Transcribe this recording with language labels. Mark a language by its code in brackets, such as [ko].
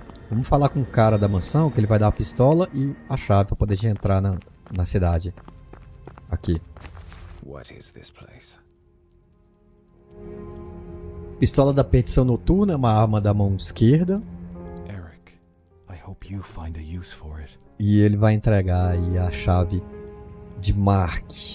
[pt] Vamos falar com o cara da mansão, que ele vai dar a pistola e a chave pra poder entrar na cidade. Aqui. [en] What is this place? [pt] Pistola da Perdição Noturna, uma arma da mão esquerda. [en] Eric, I hope you find a use for it. [pt] E ele vai entregar aí a chave de Mark.